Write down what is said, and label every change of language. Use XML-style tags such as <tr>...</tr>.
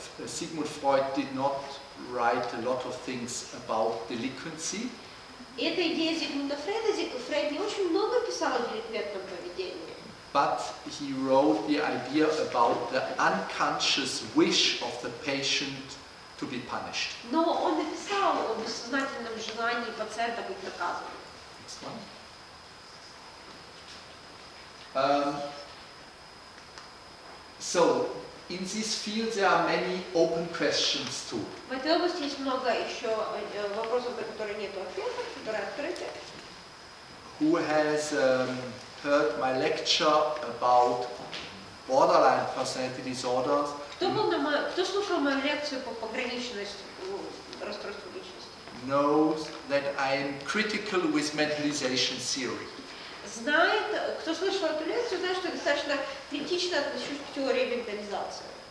<en>Sigmund Freud did not write a lot of things about delinquency.</en> <ru>Эта идея Зигмунда Фрейда, Фрейд не очень много писал о деликатном поведении.</ru> <en>But he wrote the idea about the unconscious wish of the patient to be punished.</en> <ru>Но он написал о бессознательном желании пациента быть наказанным.</ru> <en>Next one. So in this field there are many open questions too.</en> <ru>В этой области есть много еще вопросов, на которые нет ответа, которые открыты.</ru> <en>Who has heard my lecture about borderline personality disorders?</en> <ru>Кто слушал мою лекцию по пограничности, расстройству личности?</ru> <en>Knows that I am critical with mentalization theory.</en> <ru>Знает, кто слышал эту лекцию, знает, что достаточно критично отношусь к теории ментализации.</ru>